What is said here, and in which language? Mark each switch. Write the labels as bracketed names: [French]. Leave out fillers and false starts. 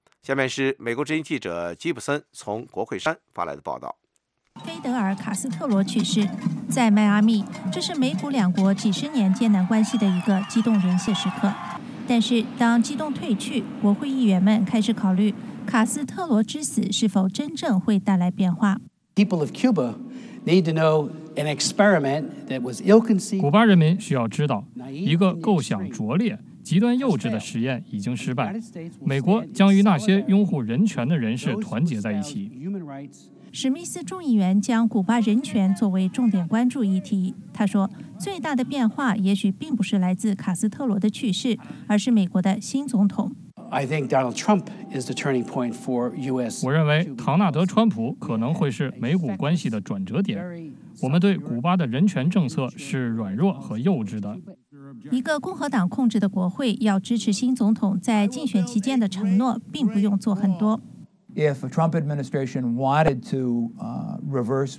[Chinese] 下面是美国之音记者吉普森从国会山发来的报道。菲德尔·卡斯特罗去世，在迈阿密，这是美古两国几十年艰难关系的一个激动人心时刻。但是当激动退去，国会议员们开始考虑卡斯特罗之死是否真正会带来变化。 [English] People of Cuba need to know an experiment that was ill-conceived. [Chinese] 古巴人民需要知道，一个构想拙劣、极端幼稚的实验已经失败。美国将与那些拥护人权的人士团结在一起。史密斯众议员将古巴人权作为重点关注议题。他说，最大的变化也许并不是来自卡斯特罗的去世，而是美国的新总统。 [English] I think Donald Trump is the turning point for U.S. [Chinese] 我认为唐纳德·川普可能会是美古关系的转折点。我们对古巴的人权政策是软弱和幼稚的。一个共和党控制的国会要支持新总统在竞选期间的承诺，并不用做很多。 [English] If a Trump administration wanted to reverse,